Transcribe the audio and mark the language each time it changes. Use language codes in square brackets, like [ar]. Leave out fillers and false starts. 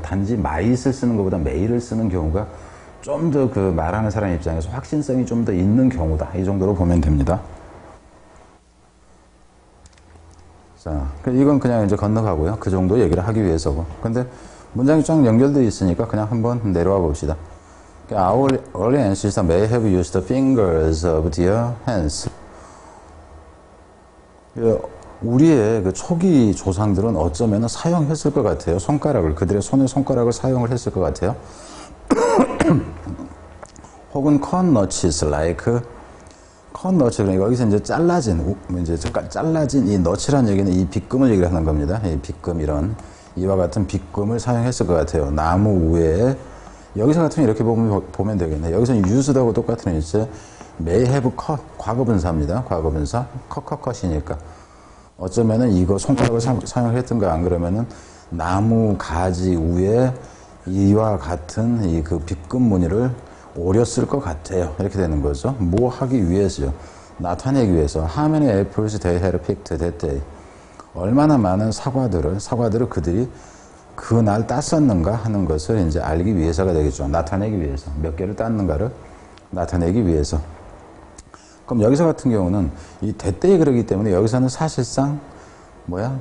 [ko] 단지 might을 쓰는 것보다 may를 쓰는 경우가 좀 더 그 말하는 사람 입장에서 확신성이 좀 더 있는 경우다. 이 정도로 보면 됩니다. 자, 이건 그냥 이제 건너가고요. 그 정도 얘기를 하기 위해서고. 근데 문장이 쫙 연결되어 있으니까 그냥 한번 내려와 봅시다. [en] Our early ancestors may have used the fingers of their hands. [ko] 우리의 그 초기 조상들은 어쩌면 사용했을 것 같아요. 손가락을, 그들의 손의 손가락을 사용을 했을 것 같아요. 혹은 [en] corn notches like [ko] 헌 너츠, 그러니까 여기서 이제 잘라진, 이제 잘라진 이 너츠란 얘기는 이 빗금을 얘기를 하는 겁니다. 이 빗금, 이런. 이와 같은 빗금을 사용했을 것 같아요. 나무 위에. 여기서 같으면 이렇게 보면 되겠네. 여기서는 used하고 똑같은 이제 [en] may have cut, [ko] 과거분사입니다. 과거분사. cut이니까. 어쩌면은 이거 손가락을 사용했든가 안 그러면은 나무 가지 위에 이와 같은 이 그 빗금 무늬를 오렸을 것 같아요. 이렇게 되는 거죠. 뭐 하기 위해서요. 나타내기 위해서. [en] How many apples they had picked that day. [ko] 얼마나 많은 사과들을 그들이 그날 땄었는가 하는 것을 이제 알기 위해서가 되겠죠. 나타내기 위해서. 몇 개를 땄는가를 나타내기 위해서. 그럼 여기서 같은 경우는 이 that day 그러기 때문에 여기서는 사실상 뭐야?